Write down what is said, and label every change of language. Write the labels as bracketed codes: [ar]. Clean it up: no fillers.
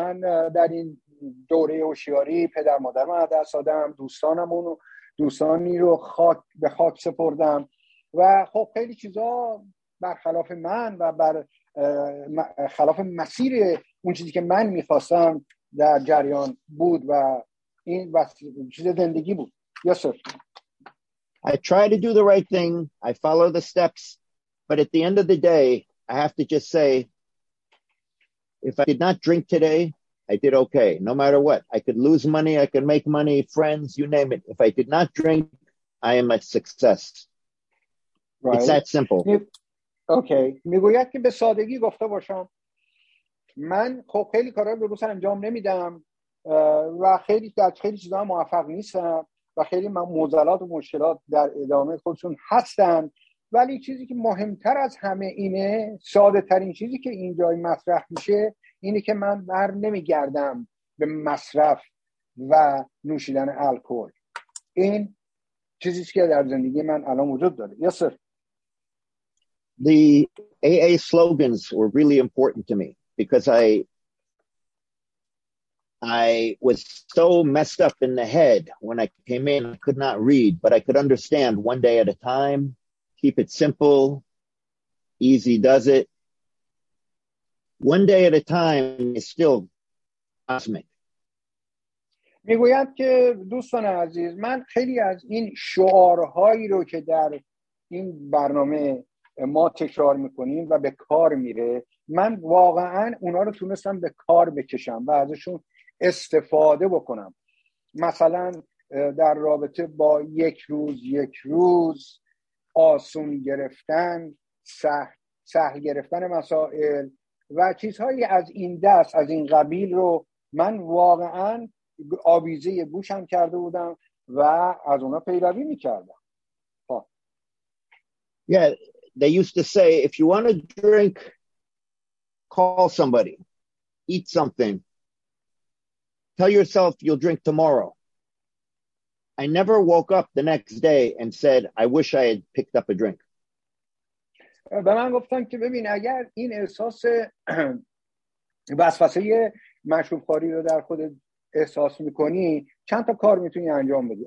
[fa] من در این دوره هوشیاری پدر مادرم رو دست دادم، دوستانی رو به خاک سپردم، و خب خیلی چیزا برخلاف من و بر خلاف مسیر اون چیزی که من میخواستم در جریان بود و این چیز زندگی بود. [en] Yes, sir. I try to do the right thing. I follow the steps. But at the end of the day, I have to just say, if I did not drink today, I did okay, no matter what. I could lose money, I could make money, friends, you name it. If I did not drink, I am a success. Right. It's that simple. Okay. [fa] میگوید که به سادگی گفته باشم. من خب خیلی کارهای درست انجام نمیدم و خیلی چیزا موفق نیستم و خیلی معضلات و مشکلات در ادامه خودشون هستن. ولی چیزی که مهمتر از همه اینه، ساده ترین چیزی که اینجای مطرح میشه اینه که من بر نمیگردم به مصرف و نوشیدن الکل. این چیزیست که در زندگی من الان وجود داره. [en] Yes, sir. The AA slogans were really important to me because I was so messed up in the head when I came in. I could not read, but I could understand one day at a time. Keep it simple. Easy does it. One day at a time is still cosmic. [fa] میگویم که دوستان عزیز، من خیلی از این شعارهایی رو که در این برنامه ما تکرار میکنیم و به کار میره من واقعا اونا رو تونستم به کار بکشم و ازشون استفاده بکنم. مثلا در رابطه با یک روز آسون گرفتن، سهل گرفتن مسائل و چیزهایی از این دست، از این قبیل رو من واقعا آویزه گوشم کرده بودم و از اونا پیروی میکردم. [en] Yeah, they used to say, if you want to drink, call somebody, eat something, tell yourself you'll drink tomorrow. I never woke up the next day and said, I wish I had picked up a drink. [fa] به من گفتن که ببین اگر این احساس وسوسه مشروب خوری رو در خود احساس میکنی چند تا کار میتونی انجام بدی.